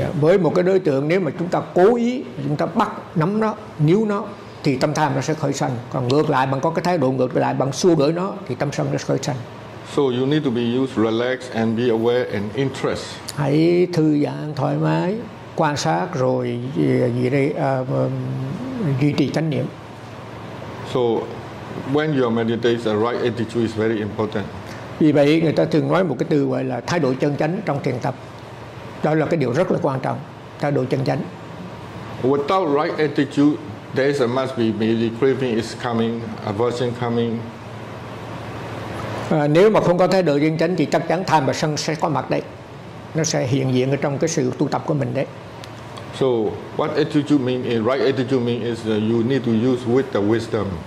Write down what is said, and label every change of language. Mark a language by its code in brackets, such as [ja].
[en] Yeah. [vi] Với một cái đối tượng nếu mà chúng ta cố ý chúng ta bắt nắm nó, níu nó thì tâm tham nó sẽ khởi sanh. Còn ngược lại bằng có cái thái độ ngược lại bằng xua đuổi nó thì tâm sân nó sẽ khởi sanh. [en] So you need to be used, relax and be aware and interest. [vi] Hãy thư giãn thoải mái, quan sát rồi gì đây duy trì chánh niệm. [en] So when you meditate, the right attitude is very important. [vi] Vì vậy người ta thường nói một cái từ gọi là thái độ chân chánh trong thiền tập. Đó là cái điều rất là quan trọng, thái độ chân chánh. [en] Without right attitude, there must be maybe craving is coming, aversion coming. [vi] Nếu mà không có thái độ chân chánh thì chắc chắn tham và sân sẽ có mặt đấy. Nó sẽ hiện diện ở trong cái sự tu tập của mình đấy. [en] So what attitude mean is, right attitude mean is you need to use with the wisdom.